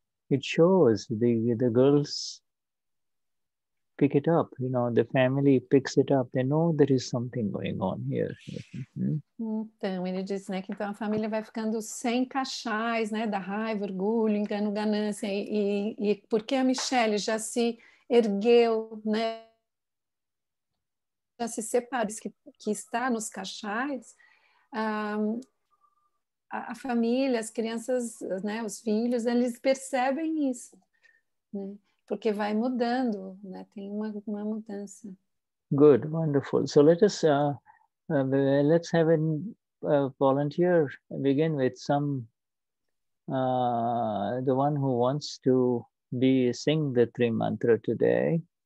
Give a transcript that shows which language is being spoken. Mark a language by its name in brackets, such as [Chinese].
[English] It shows the girls pick it up, you know, the family picks it up, they know there is something going on here. [Portuguese] Então, ele disse, né, que então a família vai ficando sem cachais, né, da raiva, orgulho, engano, ganância, e porque a Michelle já se ergueu, né, já se separou, que está nos cachais, a família, as crianças, né, os filhos, eles percebem isso, né? Porque vai mudando, né? Tem uma mudança. [English] Good, wonderful. So let us let's have a volunteer begin with some the one who wants to be sing the three mantra today.